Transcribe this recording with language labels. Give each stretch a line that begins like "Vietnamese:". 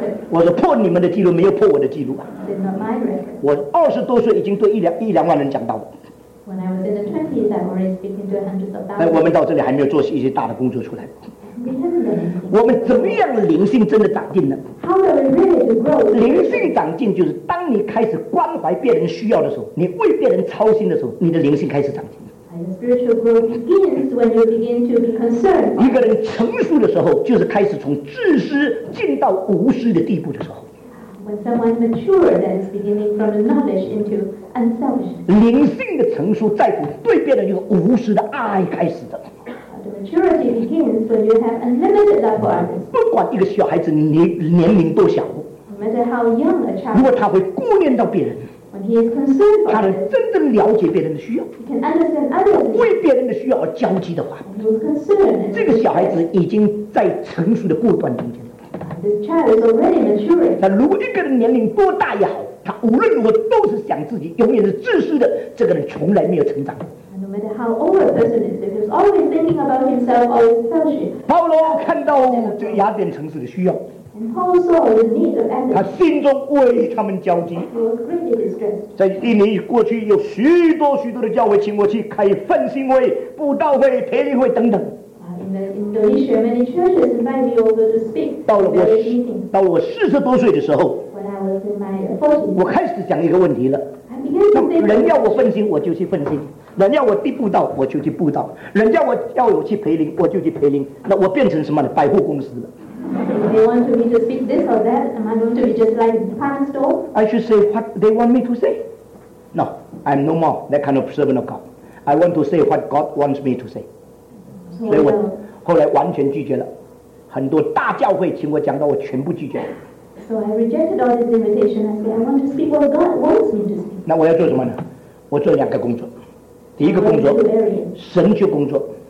Chinese: 我说破你们的记录，没有破我的记录啊。我20多岁已经对一两万人讲道了。
English: When I was in the 20s, I already speaking to hundreds of thousands.
Chinese: 但我们到这里还没有做一些大的工作出来。我们怎么样灵性真的长进呢？
English: How do we really grow?
Chinese: 灵性长进就是当你开始关怀别人需要的时候，你为别人操心的时候，你的灵性开始长进。
English: And spiritual growth begins when you begin to be concerned.
Chinese: 一个人成熟的时候，就是开始从自私进到无私的地步的时候。
English: When someone mature, that is beginning from knowledge into unselfishness.
Chinese: 灵性的成熟在乎对别人有无私的爱开始的。
English: Maturity begins when you have unlimited love for others.
Chinese: 不管一个小孩子年龄多小，
English: no matter how young a child,
Chinese: 如果他会顾念到别人，
English: when he is concerned for others,
Chinese: 他能真正了解别人的需要，
English: he can understand others,
Chinese: 为别人的需要而焦急的话，
English: he was concerned,
Chinese: 这个小孩子已经在成熟的过段中间了。
English: This child is already maturing.
Chinese: 那如果一个人年龄多大也好，他无论如何都是想自己，永远是自私的，这个人从来没有成长。
English: No matter how old a person is, he is always thinking about himself or his fellowship.
Chinese: 保罗看到这个雅典城市的需要。
English: And Paul saw the need of Athens.
Chinese: 他心中为他们焦急。
English: He was greatly distressed.
Chinese: 在一年过去，有许多许多的教会请我去开奋心会、布道会、培灵会等等。
English: In Indonesia, many churches invite me over to speak.
Chinese: 到了我40多岁的时候，
English: when I was in my 40s,
Chinese: 我开始讲一个问题了。
English: I began to say,
Chinese: 人要我奋心，我就去奋心。人要我去布道，我就去布道；人家我要我去培灵，我就去培灵。那我变成什么呢？百货公司了。
English: They want me to speak this or that. Am I going to be just like department store? I should say what they want me to say. No, I'm no more that kind of servant of God. I want to say what God wants me to say.
Chinese: 所以我后来完全拒绝了，很多大教会请我讲到，我全部拒绝了。
English: So I rejected all this invitation. I said I want to speak what God wants me to speak.
Chinese: 那我要做什么呢？我做两个工作。第一个工作，神学工作。